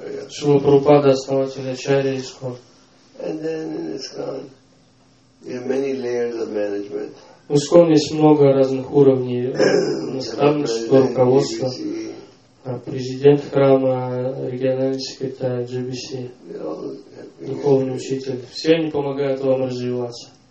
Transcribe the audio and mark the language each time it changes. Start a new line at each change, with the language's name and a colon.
Russian: Шрила Прабхупада, основатель Ачарьи Искон.
English: And then in Искон, there are many layers of management.
Russian: В Искон есть много разных уровней наставничества, руководства. Президент храма, региональный секретарь, GBC, духовный учитель. Все они помогают вам развиваться.